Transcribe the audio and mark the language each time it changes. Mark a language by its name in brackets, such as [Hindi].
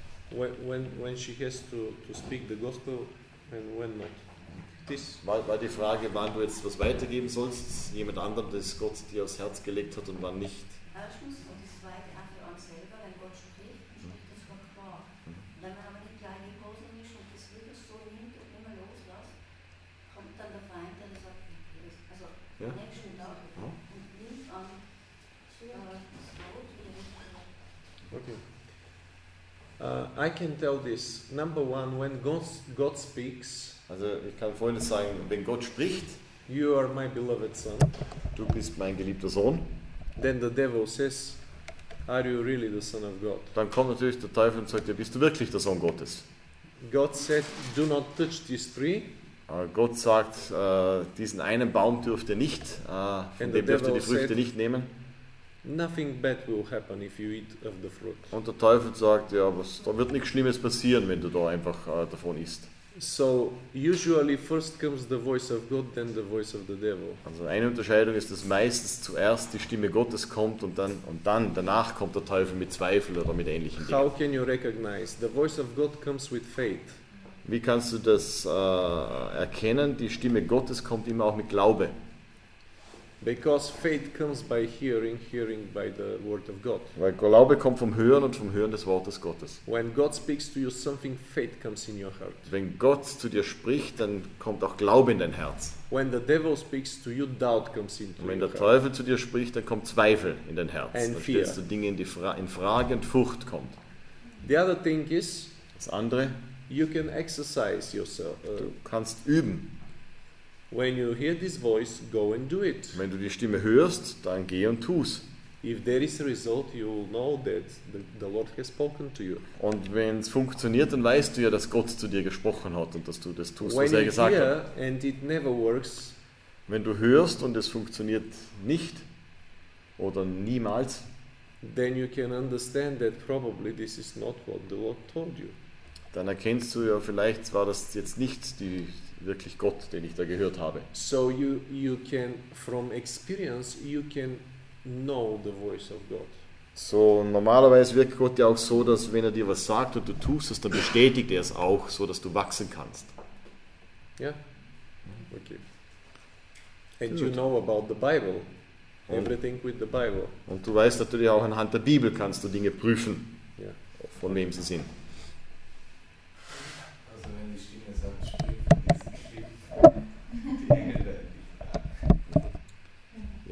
[English] When she has to speak the gospel and when not? [German] Weil die Frage, wann du jetzt was weitergeben sollst, jemand anderem, das Gott dir aufs Herz gelegt hat und wann nicht. Erstens, und das zweite auch für uns selber, wenn Gott spricht, dann spricht das Gott klar. Wenn man aber nicht gleich gekommen ist und das wieder so nimmt und immer loslässt, kommt dann der Feind, der sagt, also ja? Nächsten Tag und nimmt an, das Gott wieder nicht. [English] Okay. I can tell this. Number one, when God speaks, [German] also ich kann Folgendes sagen, wenn Gott spricht, [English] you are my beloved son, [German] du bist mein geliebter Sohn, [English] then the devil says, are you really the son of God? [German] Dann kommt natürlich der Teufel und sagt dir, bist du wirklich der Sohn Gottes? [English] God said, do not touch this tree. [German] Gott sagt, diesen einen Baum dürft ihr nicht, von dem dürft ihr die Früchte nicht nehmen. [English] Nothing bad will happen if you eat of the fruit. [German] Und der Teufel sagt, ja, was, da wird nichts Schlimmes passieren, wenn du da einfach davon isst. [English] So usually first comes the voice of God, then the voice of the devil. [German] Also eine Unterscheidung ist, dass meistens zuerst die Stimme Gottes kommt und dann danach kommt der Teufel mit Zweifel oder mit ähnlichen Dingen. [English] How can you recognize the voice of God comes with faith? [German] Wie kannst du das erkennen? Die Stimme Gottes kommt immer auch mit Glaube. [English] Because faith comes by hearing, hearing by the word of God. [German] Weil Glaube kommt vom Hören und vom Hören des Wortes Gottes. [English] When God speaks to you something, faith comes in your heart. [German] Wenn Gott zu dir spricht, dann kommt auch Glaube in dein Herz. [English] When the devil speaks to you, doubt comes into your heart. [German] Wenn der Teufel zu dir spricht, dann kommt Zweifel in dein Herz. [English] And [German] dann [English] fear. [German] Stellst du Dinge in Frage und Furcht kommt. [English] The other thing is, [German] das andere, [English] you can exercise yourself. [German] Du kannst üben. [English] When you hear this voice, go and do it. [German] Wenn du die Stimme hörst, dann geh und tu's. [English] If there is a result, you will know that the Lord has spoken to you. [German] Und wenn es funktioniert, dann weißt du ja, dass Gott zu dir gesprochen hat und dass du das tust, [English] when [German] was er gesagt hat. [English] And it never works, [German] wenn du hörst und es funktioniert nicht oder niemals, [English] then you can understand that probably this is not what the Lord told you. [German] Dann erkennst du ja, vielleicht war das jetzt nicht die wirklich Gott, den ich da gehört habe. [English] So you can from experience you can know the voice of God. [German] So normalerweise wirkt Gott ja auch so, dass wenn er dir was sagt und du tust es, dann bestätigt er es auch, so dass du wachsen kannst. Ja. [English] Yeah. Okay. And you know about the Bible. Everything with the Bible. [German] Und du weißt natürlich auch, anhand der Bibel kannst du Dinge prüfen, [English] yeah, [German] von wem sie sind. Also wenn die Stimme sagt, sprich, die Engel werden dich.